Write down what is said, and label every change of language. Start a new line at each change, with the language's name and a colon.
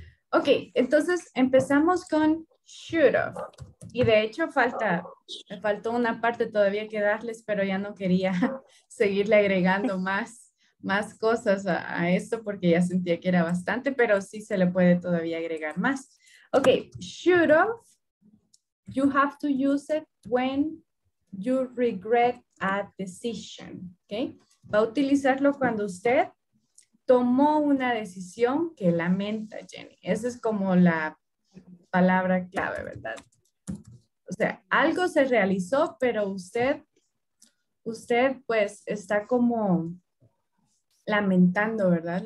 Spanish: Ok, entonces empezamos con should have. Y de hecho me faltó una parte todavía que darles, pero ya no quería seguirle agregando más cosas a esto porque ya sentía que era bastante, pero sí se le puede todavía agregar más.
English: Ok, should have, you have to use it when you regret a decision.
Spanish: Ok, va a utilizarlo cuando usted tomó una decisión que lamenta, Jenny. Esa es como la palabra clave, ¿verdad? O sea, algo se realizó, pero usted pues está como lamentando, ¿verdad?